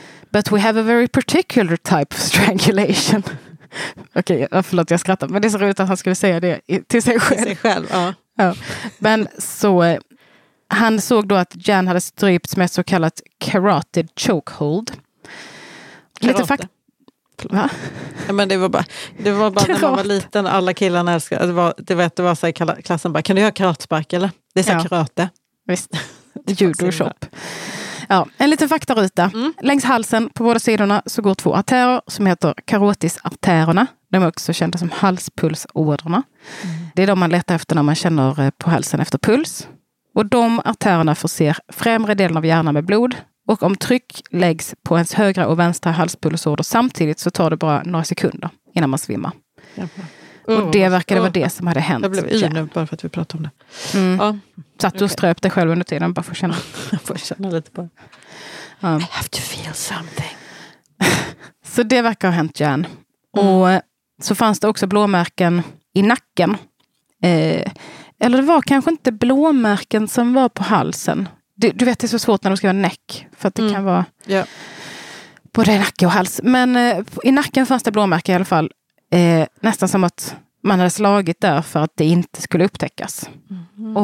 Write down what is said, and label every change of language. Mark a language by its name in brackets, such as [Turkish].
[English] But we have a very particular type of strangulation." [Swedish] Okej, okay, förlåt, jag skrattar. Men det ser ut att han skulle säga det till sig själv. Till sig själv, ja. Ja. Men så, han såg då att Jan hade strypts med så kallat carotid chokehold. Lite fakt. Va? Ja, men det var bara när man var liten, alla killarna älskade. Det var så här klassen bara, kan du göra karatspark eller? Det är så här, ja. Karate. Visst, judo shop. Ja, en liten faktaruta. Mm. Längs halsen på båda sidorna så går två artärer som heter karotisartärerna. De är också kända som halspulsådrorna. Mm. Det är de man letar efter när man känner på halsen efter puls. Och de artärerna förser främre delen av hjärnan med blod. Och om tryck läggs på ens högra och vänstra halspulsådror samtidigt så tar det bara några sekunder innan man svimmar. Och det verkade vara det som hade hänt. Jag blev yr nu bara för att vi pratade om det. Mm. Ja. Satt du och ströp dig själv under tiden, bara för att känna. Får känna lite på. [English] I have to feel something. [Swedish] Så det verkar ha hänt, Jan. Mm. Och så fanns det också blåmärken i nacken. Eller det var kanske inte blåmärken som var på halsen. Du vet, det är så svårt när de ska vara näck. För att det kan vara både nacke och hals. Men i nacken fanns det blåmärken i alla fall. Nästan som att man hade slagit där för att det inte skulle upptäckas. Mm.